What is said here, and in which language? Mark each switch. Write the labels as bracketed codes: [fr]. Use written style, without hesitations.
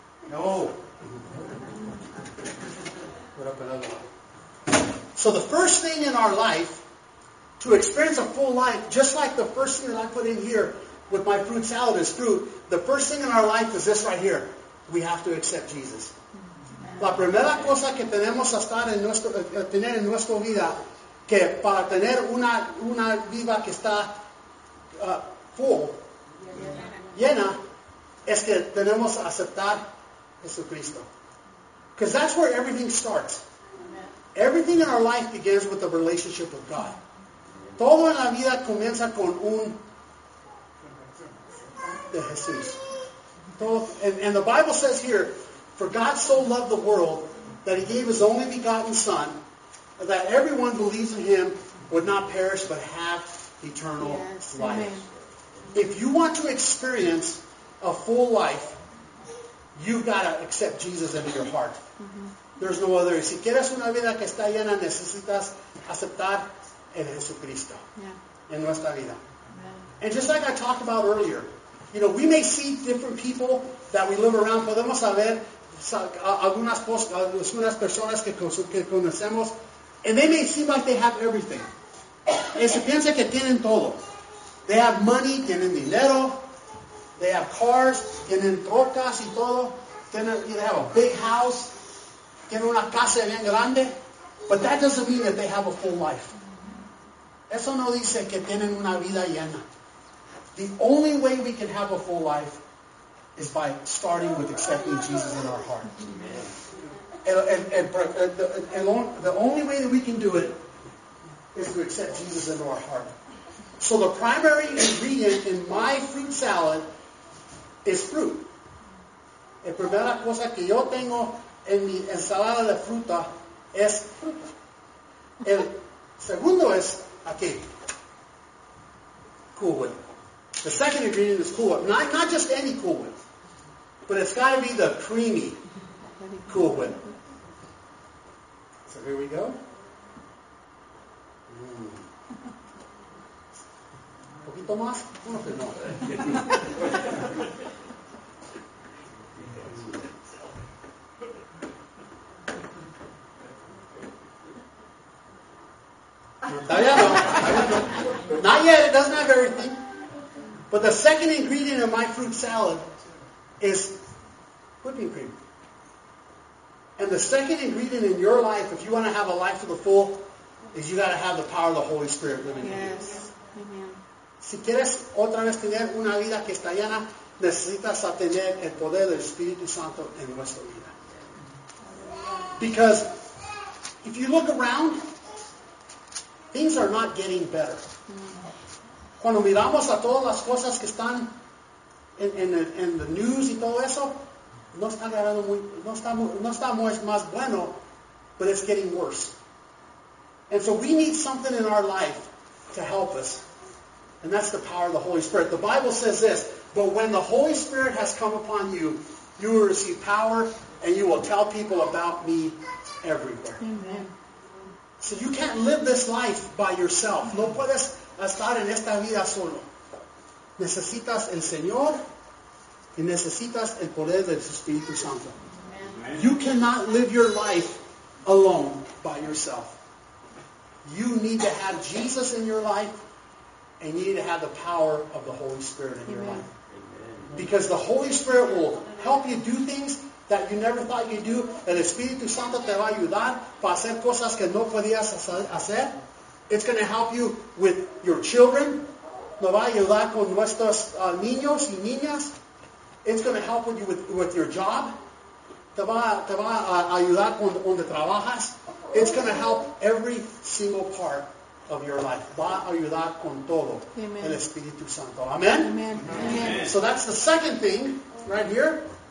[en] No. So the first thing in our life, to experience a full life, just like the first thing that I put in here with my fruit salad is fruit, the first thing in our life is this right here. We have to accept Jesus. [es] La primera cosa que tenemos a estar en nuestro, a tener en nuestra vida, que para tener una vida que está full, llena, es que tenemos a aceptar Jesucristo. [en] Because that's where everything starts. Everything in our life begins with a relationship with God. [es] Todo en la vida comienza con un de Jesús. [en] And the Bible says here, for God so loved the world that he gave his only begotten Son, that everyone believes in him would not perish but have eternal life. Amen. If you want to experience a full life, you've got to accept Jesus into your heart. Mm-hmm. There's no other. [es] Si quieres una vida que está llena, necesitas aceptar el Jesucristo en nuestra vida. [en] Amen. And just like I talked about earlier, you know, we may see different people that we live around. [es] Podemos saber algunas personas que conocemos, [en] and they may seem like they have everything. [es] Y se piensa que tienen todo. [en] They have money, [es] tienen dinero. [en] They have cars, [es] tienen trocas y todo. [en] They have a big house, [es] tienen una casa bien grande. [en] But that doesn't mean that they have a full life. [es] Eso no dice que tienen una vida llena. [en] The only way we can have a full life is by starting with accepting Jesus in our heart. And the only way that we can do it is to accept Jesus into our heart. So the primary ingredient in my fruit salad is fruit. [es] La primera cosa que yo tengo en mi ensalada de fruta es fruta. El segundo es aquí. Cool Whip. [en] The second ingredient is Cool Whip. Not just any Cool Whip, but it's got to be the creamy Cool Whip. So here we go. [es] Poquito más. No. [en] Not yet, it doesn't have everything. But the second ingredient in my fruit salad is whipping cream. And the second ingredient in your life, if you want to have a life to the full, is you got to have the power of the Holy Spirit living in you. Yes. [es] Si quieres otra vez tener una vida que está llena, necesitas tener el poder del Espíritu Santo en nuestra vida. [en] Because if you look around, things are not getting better. [es] Cuando miramos a todas las cosas que están en [en] the news [es] y todo eso, no está más bueno, [en] but it's getting worse. And so we need something in our life to help us. And that's the power of the Holy Spirit. The Bible says this, but when the Holy Spirit has come upon you, you will receive power and you will tell people about me everywhere. Amen. So you can't live this life by yourself. [es] No puedes estar en esta vida solo. Necesitas el Señor y necesitas el poder del Espíritu Santo. [en] Amen. You cannot live your life alone by yourself. You need to have Jesus in your life and you need to have the power of the Holy Spirit in Amen. Your life. Amen. Because the Holy Spirit will help you do things that you never thought you'd do. [es] El Espíritu Santo te va a ayudar para hacer cosas que no podías hacer. [en] It's going to help you with your children. [es] Nos va a ayudar con nuestros niños y niñas. [en] It's going to help you with your job. [es] Te va a ayudar con donde trabajas. [en] It's going to help every single part of your life. [es] Va a ayudar con todo. [en] Amen. [es] El Espíritu Santo. Amen? [en] Amen. Amen. Amen. So that's the second thing right here.